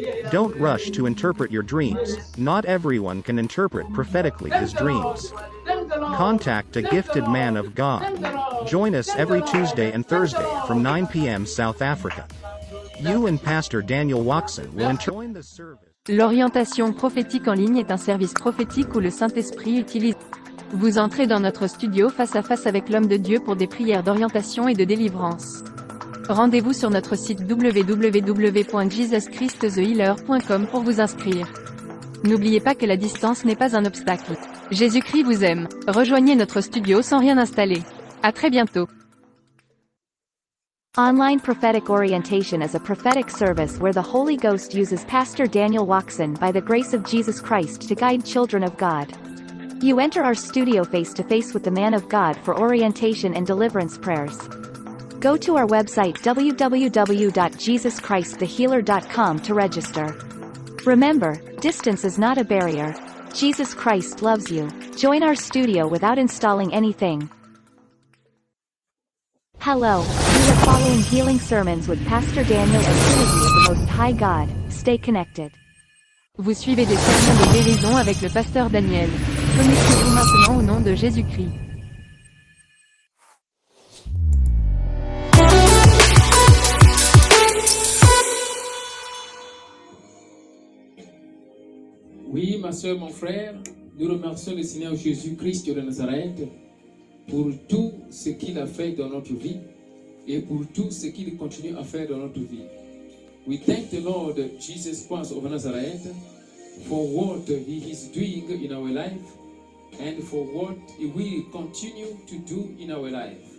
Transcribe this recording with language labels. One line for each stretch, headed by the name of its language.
English: Don't rush to interpret your dreams. Not everyone can interpret prophetically his dreams. Contact a gifted man of God. Join us every Tuesday and Thursday from 9 p.m. South Africa. You and Pastor Daniel Watson will join the service.
French: L'orientation prophétique en ligne est un service prophétique où le Saint-Esprit utilise. Vous entrez dans notre studio face à face avec l'homme de Dieu pour des prières d'orientation et de délivrance. Rendez-vous sur notre site www.jesuschristthehealer.com pour vous inscrire. N'oubliez pas que la distance n'est pas un obstacle. Jésus-Christ vous aime. Rejoignez notre studio sans rien installer. À très bientôt.
English: Online prophetic orientation is a prophetic service where the Holy Ghost uses Pastor Daniel Watson by the grace of Jesus Christ to guide children of God. You enter our studio face to face with the man of God for orientation and deliverance prayers. Go to our website www.jesuschristthehealer.com to register. Remember, distance is not a barrier. Jesus Christ loves you. Join our studio without installing anything. Hello. We're following Healing Sermons with Pastor Daniel and the Trinity of the Most High God. Stay connected.
French: Vous suivez des sermons de guérison avec le pasteur Daniel. Connectez-vous maintenant au nom de Jésus-Christ. Oui, ma soeur, mon frère, nous remercions le Seigneur Jésus-Christ de Nazareth pour tout ce qu'il a fait dans notre vie. Et pour tout ce qu'il continue à faire dans notre vie.
English: We thank the Lord Jesus Christ of Nazareth for what he is doing in our life and for what he will continue to do in our life.